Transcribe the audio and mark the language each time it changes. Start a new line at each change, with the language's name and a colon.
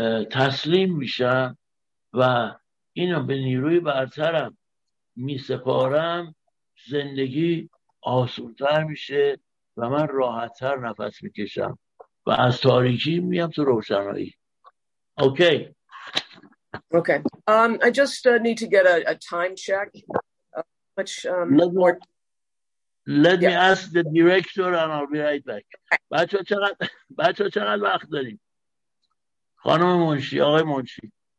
Persian: تسلیم میشم و اینو به نیروی برترم میسپارم، زندگی آسونتر میشه و من راحتتر نفس میکشم و از تاریکی میام تو روشنایی.
English: اوکی. اوکی. I just need to get a time check. Let me ask the director and I'll be right back.
Persian: بچه ها چقدر وقت داریم؟ خانم منشی، آقای منشی.